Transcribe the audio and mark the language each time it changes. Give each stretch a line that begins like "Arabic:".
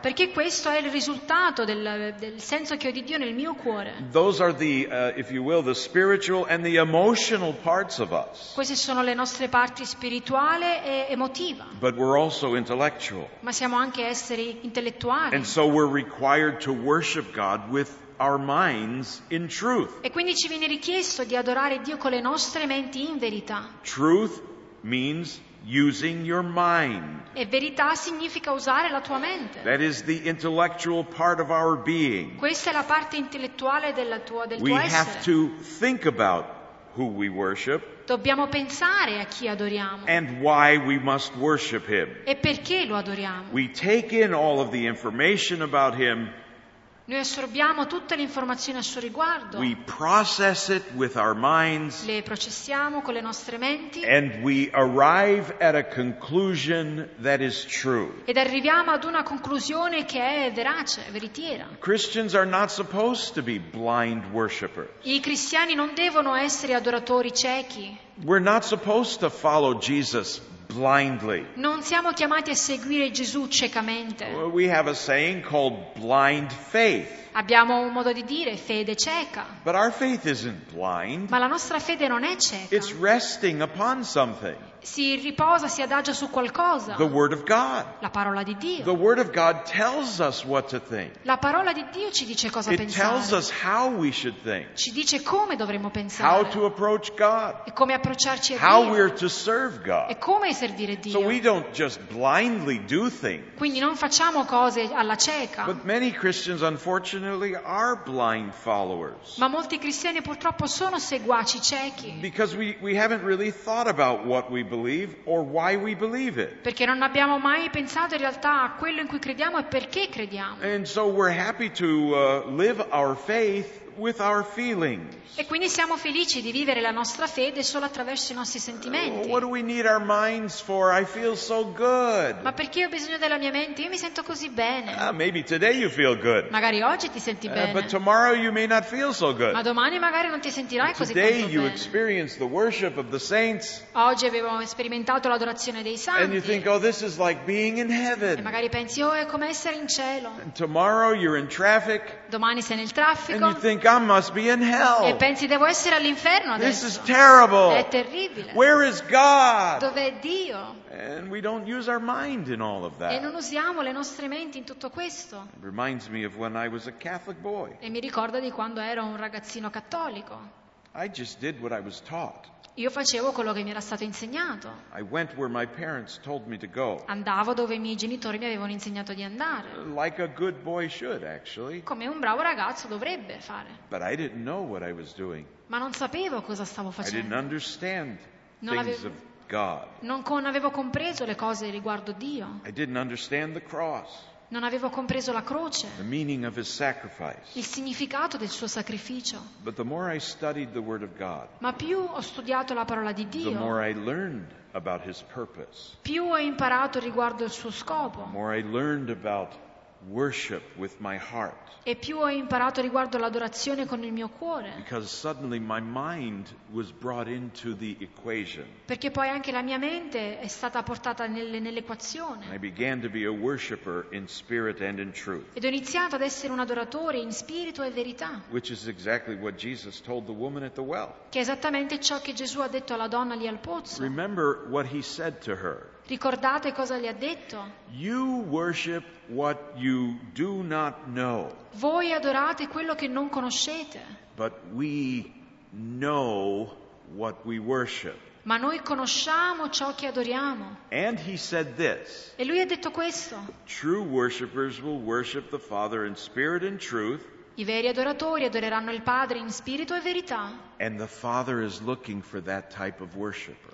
Italian: Perché questo è il risultato del senso che ho di Dio nel mio cuore.
English: Those are the, if you will, the spiritual and the emotional parts of us.
Italian: Queste sono le nostre parti spirituale e emotiva.
English: But we're also intellectual.
Italian: Ma siamo anche esseri intellettuali.
English: And so we're required to worship God with our minds in truth.
Italian: E quindi ci viene richiesto di adorare Dio con le nostre menti in verità.
English: Truth means using your mind.
Italian: E verità significa usare la tua mente.
English: That is the intellectual part of our being.
Italian: Questa è la parte intellettuale della tua, del tuo essere.
English: We have to think about who we worship.
Italian: Dobbiamo pensare a chi adoriamo.
English: And why we must worship him.
Italian: E perché lo adoriamo.
English: We take in all of the information about him.
Italian: Noi assorbiamo tutte le informazioni a suo riguardo.
English: We process it with our minds.
Italian: Le processiamo con le nostre menti.
English: And we arrive at a conclusion that is true.
Italian: Ed arriviamo ad una conclusione che è verace, veritiera.
English: Christians are not supposed to be blind worshippers.
Italian: I cristiani non devono essere adoratori ciechi.
English: We're not supposed to follow Jesus blindly.
Italian: Non siamo chiamati a seguire Gesù ciecamente.
English: We have a saying called blind faith.
Italian: Abbiamo un modo di dire, fede cieca.
English: But our faith isn't blind.
Italian: Ma la nostra fede non è cieca.
English: It's resting upon something.
Italian: Si riposa, si adagia su qualcosa.
English: The word of God.
Italian: La parola di Dio.
English: The word of God tells us what to think.
Italian: La parola di Dio ci dice cosa
English: it
Italian: pensare.
English: It tells us how we should think.
Italian: Ci dice come dovremmo pensare.
English: How to approach God.
Italian: E come approcciarci a Dio.
English: How we're to serve God.
Italian: E come servire Dio.
English: So we don't just blindly do things.
Italian: Quindi non facciamo cose alla cieca.
English: But many Christians, unfortunately, are blind followers.
Italian: Ma molti cristiani purtroppo sono seguaci ciechi.
English: Because we haven't really thought about what we believe or why we believe it.
Italian: Perché non abbiamo mai pensato in realtà a quello in cui crediamo e perché crediamo.
English: And so we're happy to live our faith with our feelings.
Italian: E quindi siamo felici di vivere la nostra fede solo attraverso I nostri sentimenti.
English: What do we need our minds for? I feel so good.
Italian: Ma perché ho bisogno della mia mente? Io mi sento così bene.
English: Maybe today you feel good.
Italian: Magari oggi ti senti bene.
English: But tomorrow you may not feel so good.
Italian: Ma domani magari non ti sentirai così tanto bene.
English: Today you experience the worship of the saints.
Italian: Oggi abbiamo sperimentato l'adorazione dei santi.
English: And you think, oh, this is like being in heaven.
Italian: E magari pensi, oh, è come essere in cielo.
English: And tomorrow you're in traffic.
Italian: Domani sei nel traffico.
English: And you think, I must be in hell.
Italian: E pensi, devo essere all'inferno adesso.
English: This is terrible.
Italian: È terribile.
English: Where is God?
Italian: Dov'è Dio?
English: And we don't use our mind in all of that.
Italian: E non usiamo le nostre menti in tutto questo.
English: It reminds me of when I was a Catholic boy.
Italian: E mi ricorda di quando ero un ragazzino cattolico.
English: I just did what I was taught.
Italian: Io facevo quello che mi era stato insegnato.
English: I went where my parents told me to go.
Italian: Andavo dove I miei genitori mi avevano insegnato di andare.
English: Like a good boy should, actually.
Italian: Come un bravo ragazzo dovrebbe fare.
English: But I didn't know what I was doing.
Italian: Ma non sapevo cosa stavo facendo.
English: I didn't understand things of God.
Italian: Non avevo compreso le cose riguardo Dio.
English: I didn't understand the cross.
Italian: Non avevo compreso la croce.
English: The meaning of his sacrifice.
Italian: Il significato del suo sacrificio.
English: But the more I studied the word of God,
Italian: ma più ho studiato la parola di Dio,
English: the more I learned about his purpose,
Italian: più ho imparato riguardo il suo scopo,
English: the more I learned about worship with my heart,
Italian: e più ho imparato riguardo l'adorazione con il mio cuore,
English: because suddenly my mind was brought into the equation,
Italian: perché poi anche la mia mente è stata portata nell'equazione.
English: I began to be a worshipper in spirit and in truth,
Italian: ed ho iniziato ad essere un adoratore in spirito e verità,
English: which is exactly what Jesus told the woman at the well,
Italian: che è esattamente ciò che Gesù ha detto alla donna lì al pozzo.
English: Remember what he said to her.
Italian: Ricordate cosa gli ha detto?
English: You worship what you do not know.
Italian: Voi adorate quello che non conoscete.
English: But we know what we worship.
Italian: Ma noi conosciamo ciò che adoriamo.
English: And he said this.
Italian: E lui ha detto questo.
English: True worshipers will worship the Father in spirit and truth.
Italian: I veri adoratori adoreranno il Padre in spirito e verità.
English: And the Father is looking for that type of worshipper.